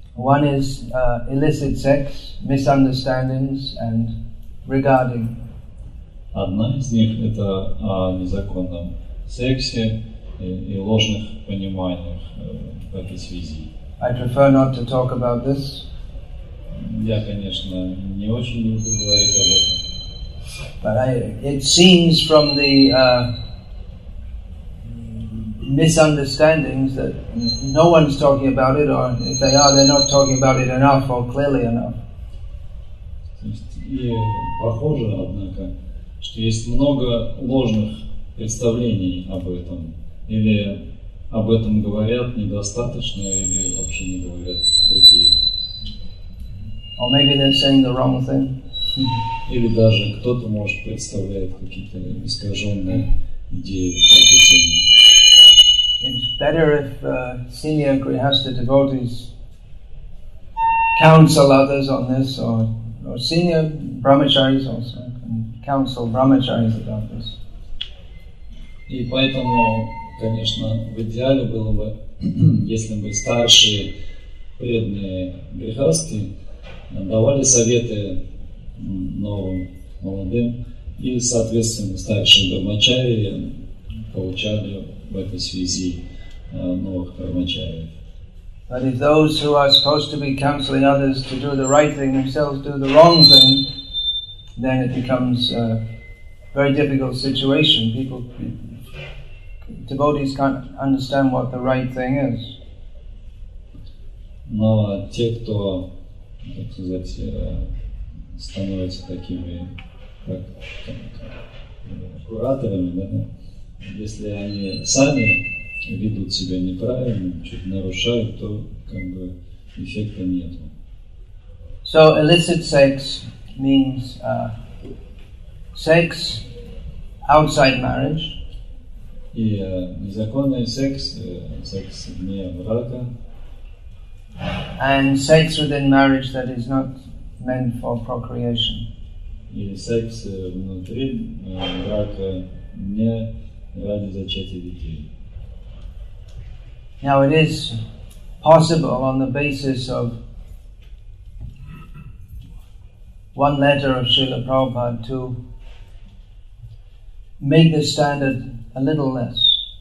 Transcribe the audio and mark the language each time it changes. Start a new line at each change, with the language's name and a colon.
English: One is illicit sex, misunderstandings, and regarding.
Russian: Одна из них это о незаконном сексе и ложных пониманиях в этой связи.
English: I prefer not to talk about this.
Russian: Я, конечно, не очень люблю говорить об этом.
English: But it seems from the misunderstandings that no one's talking about it, or if they are, they're not talking about it enough or clearly enough.
Russian: И похоже, однако, что есть много ложных представлений об этом, или об этом говорят недостаточно, или вообще не говорят другие.
English: Or maybe they're saying the wrong thing.
Russian: Или даже кто-то может представляет какие-то искаженные идеи по этой теме.
English: It's better if senior grihastha devotees counsel others on this, or senior brahmacharis also can counsel brahmacharis about this.
Russian: И поэтому, конечно, в идеале было бы, если бы старшие преданные грихасты давали советы новым молодым, и, соответственно, старшие брахмачари получали в этой связи новых брахмачари.
English: But if those who are supposed to be counseling others to do the right thing themselves do the wrong thing, then it becomes a very difficult situation. People, devotees can't understand what the right thing is.
Russian: Но те, кто, так сказать, становятся такими, как кураторами, да? Если они сами ведут себя неправильно, что-то нарушают, то как бы эффекта нет.
English: So illicit sex means sex outside marriage.
Russian: И незаконный секс, секс вне брака.
English: And sex within marriage that is not meant for procreation.
Russian: И секс внутри брака не ради зачатия детей.
English: Now it is possible on the basis of one letter of Srila Prabhupada to make the standard a little less.